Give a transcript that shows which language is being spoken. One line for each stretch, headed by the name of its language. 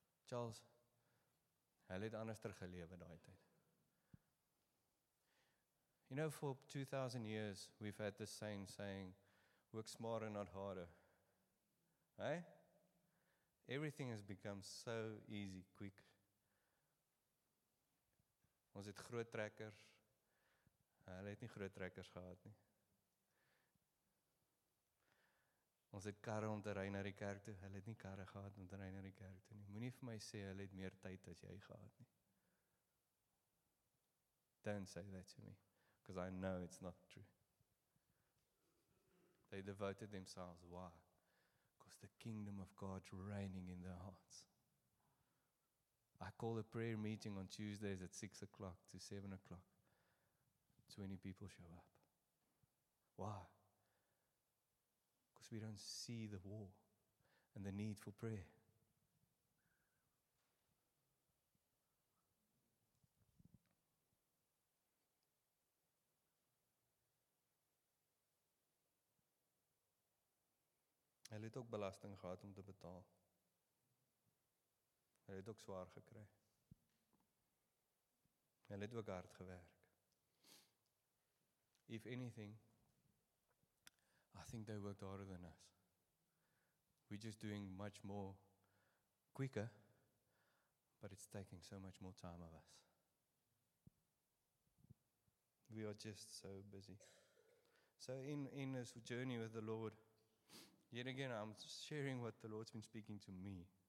Afrikaans: Charles, hy het anderster gelewe daai tyd.
English: You know, for 2,000 years, we've had this saying, work smarter, not harder. Right? Everything has become so easy, quick.
Afrikaans: Ons het groot trekkers. Hulle het nie groot trekkers gehad nie. Ons het karre om te ry na die kerk toe. Hulle het nie karre gehad om te ry na die kerk toe nie. Moenie vir my sê hulle het meer tyd as jy gehad nie.
English: Don't say that to me, because I know it's not true. They devoted themselves. Why? Because the kingdom of God's reigning in their hearts. I call a prayer meeting on Tuesdays at 6 o'clock to 7 o'clock. 20 people show up. Why? Because we don't see the war and the need for prayer.
Afrikaans: Hulle het ook belasting gehad om te betaal. Hulle het ook swaar gekry. Hulle het ook hard gewerk.
English: If anything, I think they worked harder than us. We're just doing much more quicker, but it's taking so much more time of us. We are just so busy. So in this journey with the Lord, yet again, I'm sharing what the Lord's been speaking to me.